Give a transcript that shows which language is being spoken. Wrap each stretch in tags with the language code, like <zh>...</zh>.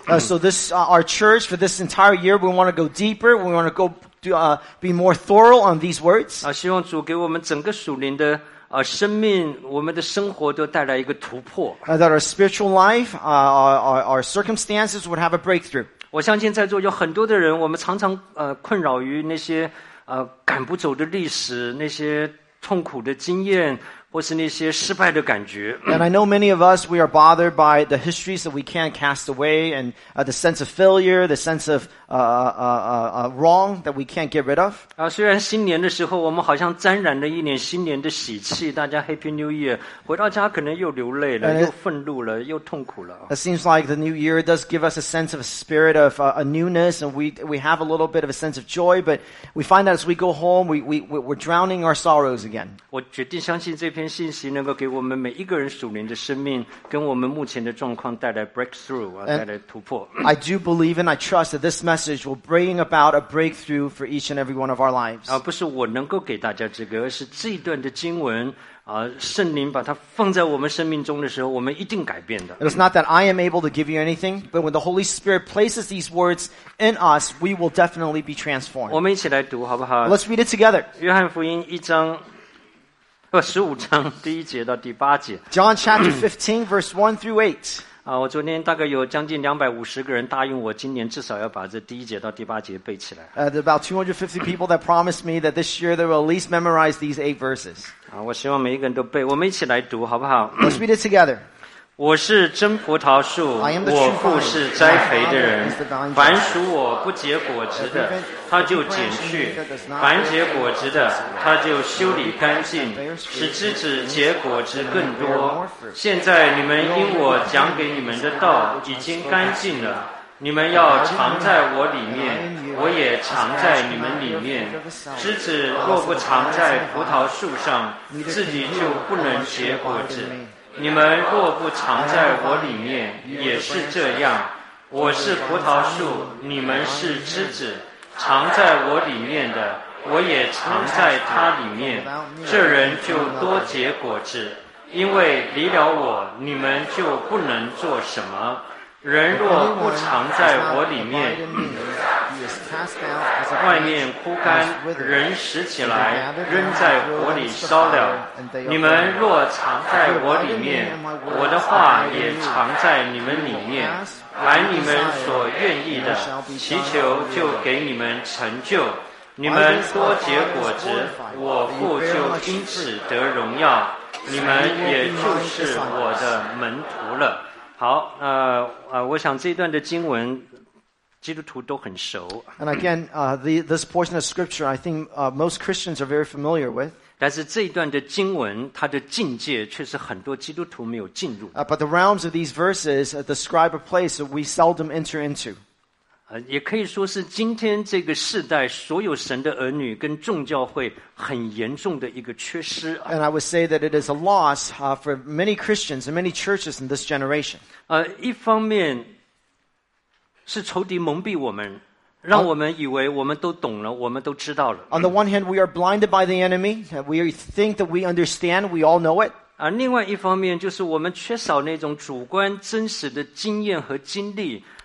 <en>So this, our church, for this entire year, we want to go deeper, we want to go do, be more thorough on these words.</en> <zh>希望主给我们整个属灵的生命，我们的生活都带来一个突破。</zh> <en>That our spiritual life, our circumstances would have a breakthrough.</en> <zh>我相信在座有很多的人，我们常常困扰于那些赶不走的历史，那些痛苦的经验，或是那些失败的感觉。</zh> <en>And I know many of us we are bothered by the histories that we can't cast away, and the sense of failure, the sense of wrong that we can't get rid of.</en> <zh>虽然新年的时候我们好像沾染了一年新年的喜气，大家</zh> <en>Happy New Year，</en> <zh>回到家可能又流泪了，又愤怒了，又痛苦了。</zh> <en>It seems like the New Year does give us a sense of a spirit of a newness, and we have a little bit of a sense of joy, but we find that as we go home, we're drowning our sorrows again.</en> <zh>我决定相信这篇信息能够给我们每一个人属灵的生命跟我们目前的状况带来 breakthrough 带来突破。</zh> <en>I do believe and I trust that this message will bring about a breakthrough for each and every one of our lives.</en> <zh>不是我能够给大家这个，而是这一段的经文圣灵把它放在我们生命中的时候，我们一定改变的。</zh> <en>It's not that I am able to give you anything, but when the Holy Spirit places these words in us, we will definitely be transformed.</en> <zh>我们一起来读好不好？</zh> <en>Let's read it together.</en> <zh>约翰福音一章15章第一节到第八节。</zh> <en>John chapter 15 verse 1 through 8.</en> <zh>我昨天大概有将近250个人答应我今年至少要把这第一节到第八节背起来。</zh> <en>There are about 250 people that promised me that this year they will at least memorize these 8 verses.</en> <zh>我希望每一个人都背，我们一起来读好不好？</zh> <en>Let's read it together.</en> <zh>我是真葡萄树，我父是栽培的人，凡属我不结果子的他就剪去，凡结果子的他就修理干净，使枝子结果子更多。现在你们因我讲给你们的道已经干净了，你们要藏在我里面，我也藏在你们里面。枝子若不藏在葡萄树上，自己就不能结果子。你们若不藏在我里面也是这样，我是葡萄树，你们是枝子，藏在我里面的我也藏在他里面，这人就多结果子，因为离了我你们就不能做什么。人若不藏在我里面，</zh> <en>is cast out as a branch has withered, and gathered out will the fire, and they are burned.</en> <zh>来你们所愿意的祈求就给你们成就你们多结果子我父就因此得荣耀你们也就是我的门徒了好我想这段的经文基督徒都很熟</zh> <en>And again, this portion of scripture I think most Christians are very familiar with</en> <zh>但是这一段的经文它的境界却是很多基督徒没有进入。</zh> <en>But the realms of these verses describe a place that we seldom enter into.</en> <zh>也可以说是今天这个世代所有神的儿女跟众教会很严重的一个缺失。</zh> <en>And I would say that it is a loss for many Christians and many churches in this generation.</en> <zh>一方面是仇敌蒙蔽我们让我们以为我们都懂了我们都知道了</zh> <en>On the one hand, we are blinded by the enemy. We think that we understand, we all know it.</en> <zh>另外一方面就是我们缺少那种主观真实的经验和经历</zh>